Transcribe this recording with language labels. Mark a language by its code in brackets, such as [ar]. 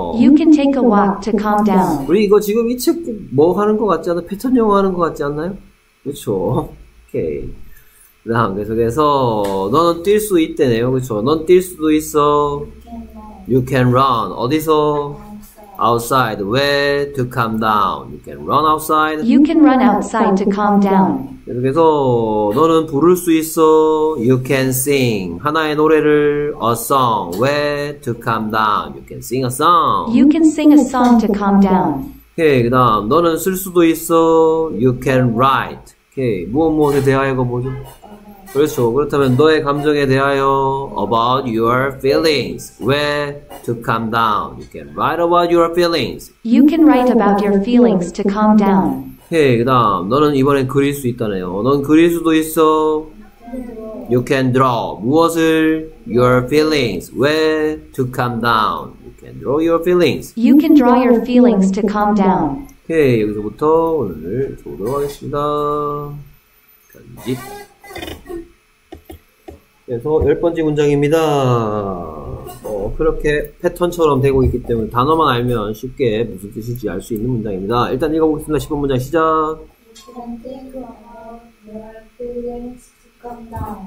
[en] You can take a walk to calm down. [ko] 우리 이거 지금 이 책 뭐 하는 것 같지 않아? 패턴 영어 하는 것 같지 않나요? 그쵸. 오케이. Okay. 그 다음 계속해서, 너는 뛸 수 있대네요. 그쵸. 넌 뛸 수도 있어. [en] You can run. You can run. [ko] 어디서? [en] Outside. Where to calm down? You can run outside. You can run outside to calm down. [ko] 계속해서 너는 부를 수 있어. [en] You can sing [ko] 하나의 노래를. [en] A song. Where to calm down? You can sing a song. You can sing a song to calm down. [ko] 오케이, 그다음 너는 쓸 수도 있어. [en] You can write. [ko] 오케이, 무엇 무엇에 대하여가 뭐죠? 그렇죠. 그렇다면 너의 감정에 대하여. [en] About your feelings. Where to calm down? You can write about your feelings. You can write about your feelings to calm down. [ko] 오케이, 그 다음 너는 이번엔 그릴 수 있다네요. 넌 그릴 수도 있어. [en] You can draw. [ko] 무엇을? [en] Your feelings. Where to calm down? You can draw your feelings. You can draw your feelings to calm down. [ko] 오케이, 여기서부터 오늘 보도록 하겠습니다. 편집. 그래서 열 번째 문장입니다. 그렇게 패턴처럼 되고 있기 때문에 단어만 알면 쉽게 무슨 뜻인지 알 수 있는 문장입니다. 일단 읽어보겠습니다. 10번 문장 시작. [en] You can think about your feelings to calm down.